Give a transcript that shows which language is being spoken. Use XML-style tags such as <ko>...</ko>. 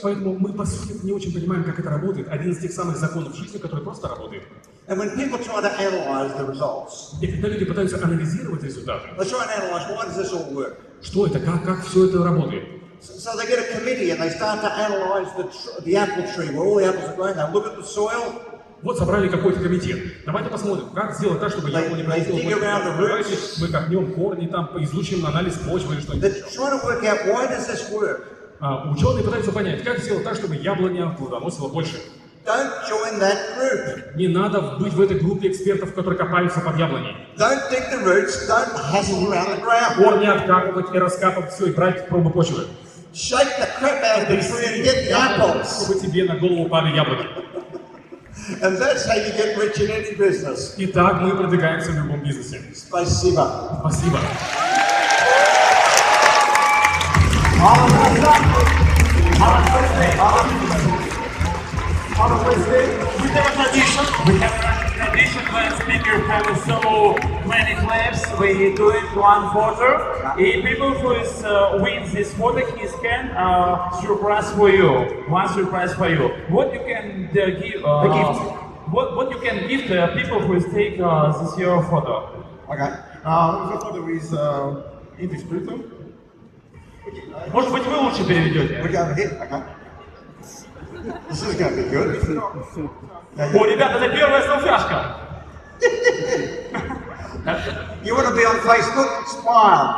<ru>Поэтому мы по сути не очень понимаем, как это работает. Один из тех самых законов жизни, который просто работает.</ru> <en>And when people try to analyze the results,</en> <ru>и когда люди пытаются анализировать результаты,</ru> <en>they try and analyze why does this all work?</en> <ru>Что это, как все это работает?</ru> <en>So they get a committee and they start to analyze the apple tree where all the apples are growing. They look at the soil.</en> <ru>Вот собрали какой-то комитет. Давайте посмотрим, как сделать так, чтобы яблони не произошло. Давайте мы копнем корни, там изучим анализ почвы или что-нибудь. Ученые пытаются понять, как сделать так, чтобы яблони плодоносило больше.</ru> <en>Don't join that group.</en> <ru>Не надо быть в этой группе экспертов, которые копаются под яблони.</ru> <en>Don't dig the roots, don't hustle around the ground.</en> <ru>Корни откапывать и раскапывать все, и брать пробы почвы.</ru> <en>Shake the crap out of the tree and get the apples.</en> <ru>Чтобы тебе на голову упали яблоки.</ru> <en>And that's how you get rich in any business.</en> <ru>Итак, мы продвигаемся в любом бизнесе. Спасибо. Спасибо.</ru> <en>We have a tradition when speaker have so many claps, we do it one quarter. The people who is wins this quarter, he can surprise for you. One surprise for you. What you can give? A gift. What you can give the people who is take this your photo? Okay. The photo is in this bottom.</en> <ru>Может быть вы лучше переведете?</ru> <en>Okay. This is gonna be good.</en> <ru>О, ребята, это первая салфашка.</ru> <en>You want to be on Facebook? Smile.</en>